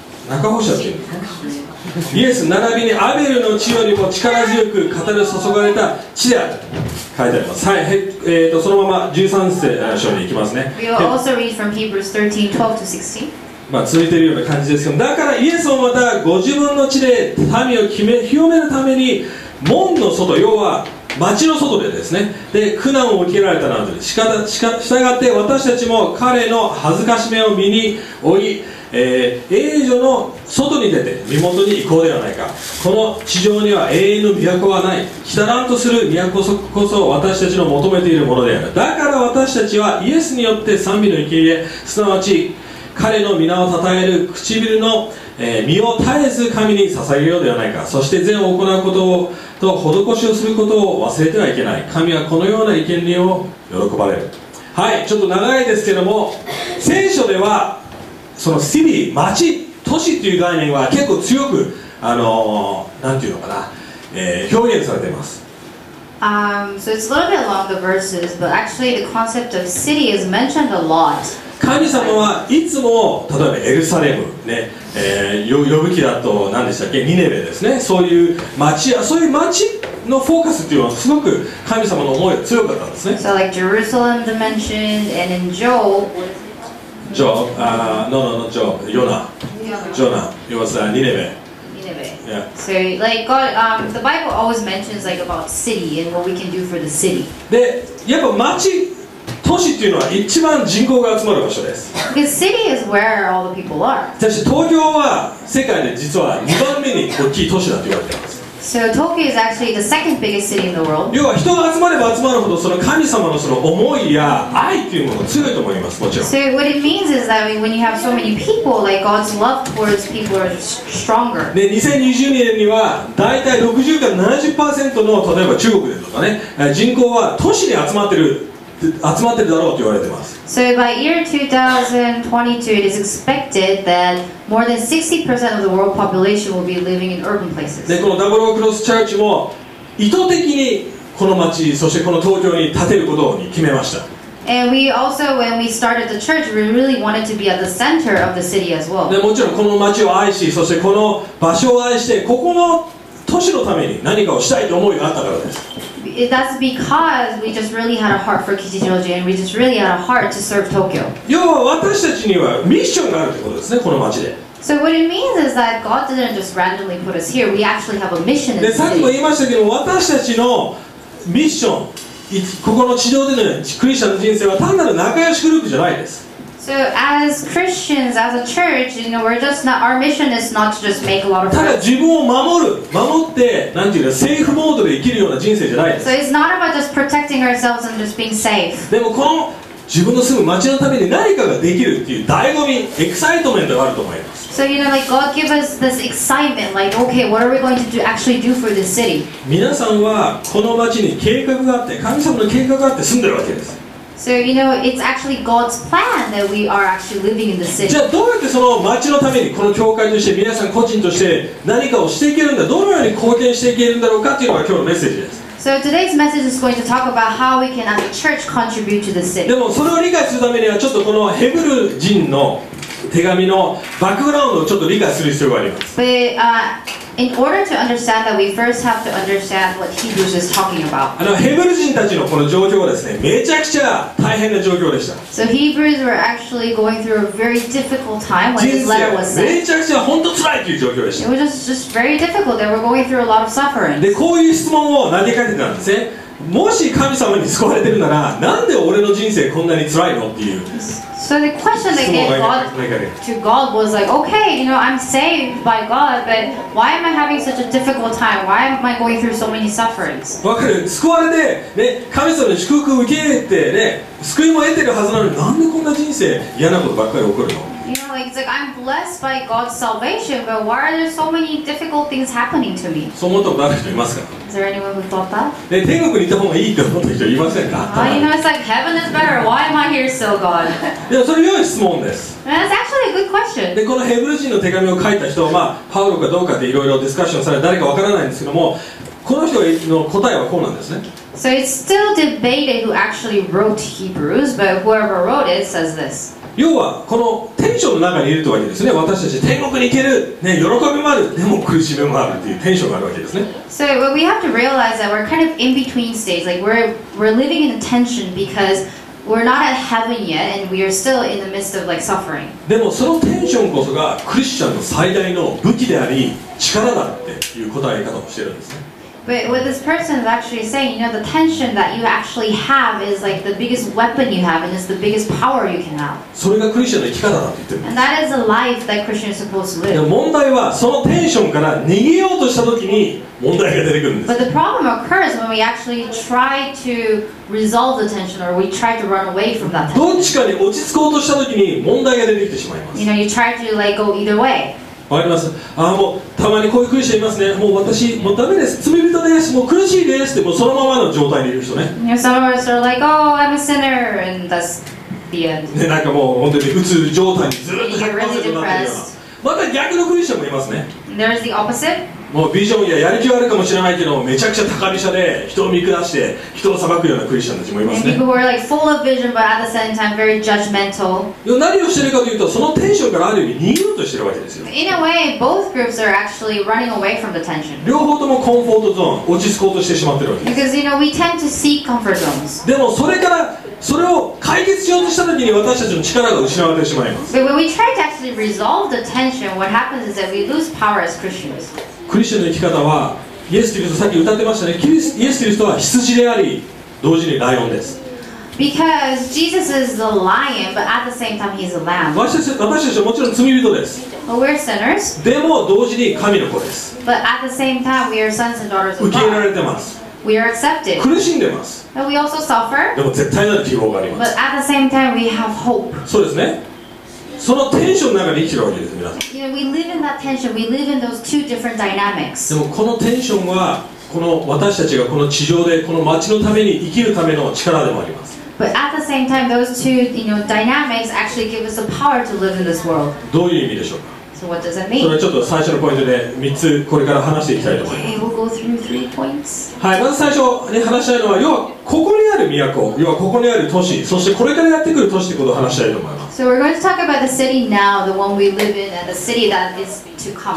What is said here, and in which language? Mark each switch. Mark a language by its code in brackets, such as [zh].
[ja] 中保者っていうんですか、イエス並びにアベルの地よりも力強く語り注がれた地である、書いてあります。はい、そのまま13章に行きますね。 [en] We will also read from Hebrews 13:12-16. [ja] まあ続いているような感じですけど、だからイエスもまたご自分の地で民を清めるために門の外、要は町の外でですね、で苦難を受けられたなんて、したがって私たちも彼の恥ずかしめを身に負い、永女の外に出て身元に行こうではないか。この地上には永遠の都はない。汚んとする都こそ私たちの求めているものである。だから私たちはイエスによって賛美の生贄、すなわち彼の皆を讃える唇の、身を絶えず神に捧げようではないか。そして善を行うことをと施しをすることを忘れてはいけない。神はこのような生贄を喜ばれる。はい、ちょっと長いですけども、聖書ではそのシティ、町、都市という概念は結構強く、なんていうのかな、表現されています。 [en] So it's a little bit long, the verses, but actually the concept of city is mentioned a lot. [ja] 神様はいつも、例えばエルサレム、ね、呼ぶ気だと何でしたっけ、ニネベですね、そういう町のフォーカスっていうのはすごく神様の思いが強かったんですね。 [en] So like Jerusalem mentioned and in Joel Job, no no no Job, Jonah Jonah, it was Nineveh Yeah. So like God, the Bible always mentions like about city and what we can do for the city. [ja] で、やっぱ町、都市っていうのは一番人口が集まる場所です。 [en] Because city is where all the people are. [ja] そして東京は世界で実は2番目に大きい都市だと言われています。 [en] So Tokyo is actually the second biggest city in the world. [ja] 要は人が集まれば集まるほどその神様のその思いや愛っていうものが強いと思います。もちろん。 [en] So what it means is that when you have so many people, like God's love towards people is stronger. [ja] で、2020年にはだいたい 60-70% の例えば中国でとかね、人口は都市に集まってるだろうと言われてます。 [en] So by year 2022, it is expected that more than 60% of the world population will be living in urban places. [ja] で、このダブルオークロスチャーチも意図的にこの町、そしてこの東京に建てることに決めました。 [en] And we also, when we started the church, we really wanted to be at the center of the city as well. [ja] で、もちろんこの町を愛し、そしてこの場所を愛して、ここの都市のために何かをしたいと思いがあったからです。 [en] That's because we just really had a heart for Kichijoji and we just really had a heart to serve Tokyo. [ja] 要は私たちにはミッションがあるってことですね、この町で。 [en] So what it means is that God didn't just randomly put us here, we actually have a mission in the city. [ja] で、さっきも言いましたけど、私たちのミッション、ここの地上でのクリスチャンの人生は単なる仲良しグループじゃないです。 [en] So as Christians, as a church, you know, we're just not, our mission is not to just make a lot of [ja] ただ自分を守って、なんていうか、セーフモードで生きるような人生じゃないです。 [en] So it's not about just protecting ourselves and just being safe. [ja] でもこの自分の住む町のために何かができるっていう醍醐味、エクサイトメントがあると思います。 [en] So you know, like God gives us this excitement, like, okay, what are we going to do, actually do for this city? [ja] 皆さんはこの町に計画があって、神様の計画があって住んでるわけです。 [en] So you know, it's actually God's plan that we are actually living in the city. [ja] じゃあどうやってその町のためにこの教会として皆さん個人として何かをしていけるんだ、どのように貢献していけるんだろうかっていうのが今日のメッセージです。 [en] So today's message is going to talk about how we can as a church contribute to the city. [ja] でもそれを理解するためにはちょっとこのヘブル人の手紙のバックグラウンドをちょっと理解する必要があります。 [en] But, in order to understand that, we first have to understand what Hebrews is talking about. [ja] あのヘブル人たちのこの状況はですね、めちゃくちゃ大変な状況でした。 [en] So Hebrews were actually going through a very difficult time when this letter was sent. [ja] めちゃくちゃ本当辛いという状況でした。 [en] It was just very difficult. They were going through a lot of suffering. [ja] で、こういう質問を投げかけたんですね。もし神様に救われてるなら、なんで俺の人生こんなに辛いのっていう。 [en] So the question they gave God to God was like, okay, you know, I'm saved by God, but why am I having such a difficult time? Why am I going through so many sufferings? [ja] 分かる。救われて、ね、神様の祝福を受け入れて、ね、救いも得てるはずなのに、なんでこんな人生嫌なことばっかり起こるの？ [en] You know, like, it's like I'm blessed by God's salvation, but why are there so many difficult things happening to me? [ja] そう思った人いますか？ [en] Is there anyone who thought that? [ja] で、天国にいた方がいいと思った人いませんか？ [en] Well, you know, it's like heaven is better. Why am I here still, God? [ja] でもそれ良い質問です。 [en] That's actually a good question. [ja] で、このヘブル人の手紙を書いた人は、まあ、パウロかどうかっていろいろディスカッションされ、誰かわからないんですけども、この人の答えはこうなんですね。 [en] So it's still debated who actually wrote Hebrews, but whoever wrote it says this. [ja] 要はこのテンションの中にいるというわけですね。私たち天国に行ける、ね、喜びもある、でも苦しみもあるというテンションがあるわけですね。 [en] So well, we have to realize that we're kind of in between states. Like we're living in a tension because we're not at heaven yet and we are still in the midst of like suffering. [ja] でもそのテンションこそがクリスチャンの最大の武器であり力だっていう答え方をしているんですね。 [en] But what this person is actually saying, you know, the tension that you actually have is like the biggest weapon you have and it's the biggest power you can have. [ja] それがクリスチャンの生き方だと言ってます。 [en] And that is the life that Christian is supposed to live. [ja] でも問題はそのテンションから逃げようとしたときに問題が出てくるんです。 [en] But the problem occurs when we actually try to resolve the tension or we try to run away from that tension. [ja] どっちかに落ち着こうとしたときに問題が出てきてしまいます。 [en] You know, you try to like go either way. [ja] わかります。ああもうたまにこういうクリスチャンいますね。もう私もうダメです。罪人です。もう苦しいです。ってもうそのままの状態にいる人ね。 [en] Some of us are like, oh, I'm a sinner, and that's the end. [ja] ねなんかもう本当に鬱状態にずっと 100%になってるような。また逆のクリスチャンもいますね。 [en] There's the opposite. [ja] もうビジョンややる気はあるかもしれないけど、めちゃくちゃ高飛車で人を見下して人を裁くようなクリスチャンたちもいますね。 [en] And people were like full of vision, but at the same time very judgmental. [ja] 何をしているかというと、そのテンションからあるように逃げようとしているわけですよ。 [en] In a way, both groups are actually running away from the tension. [ja] 両方ともコンフォートゾーン、落ち着こうとしてしまっているわけです。 [en] Because you know we tend to seek comfort zones. [ja] でもそれからそれを解決しようとしたときに私たちの力が失われてしまいます。 [en] But when we try to actually resolve the tension, what happens is that we lose power as Christians. [ja] クリスチャンの生き方はイエス・キリスト、さっき歌ってましたね、キリスイエス・キリストは羊であり同時にライオンです。 [en] Because Jesus is the lion, but at the same time he's a lamb. [ja] 私たちはもちろん罪人です。 [en] But we're sinners. [ja] でも同時に神の子です。 [en] But at the same time we are sons and daughters of God. [ja] 受け入れられてます。 [en] We are accepted. [ja] 苦しんでます。 [en] But we also suffer. [ja] でも絶対なる希望があります。 [en] But at the same time we have hope. [ja] そうですね。そのテンションの中に生きるわけです、皆さん。 [en] You know, we live in that tension. We live in those two different dynamics. [ja] でもこのテンションはこの私たちがこの地上でこの街のために生きるための力でもあります。 [en] But at the same time, those two, you know, dynamics actually give us the power to live in this world. [ja] どういう意味でしょうか。 [en] So what does that mean? [ja] それはちょっと最初のポイントで3つこれから話していきたいと思います。 [en] Okay, we'll go through three points. [ja] はい、まず最初に話したいのは、要はここにある都、要はここにある都市、そしてこれからやってくる都市ということを話したいと思います。 [en] So we're going to talk about the city now, the one we live in, and the city that is to come.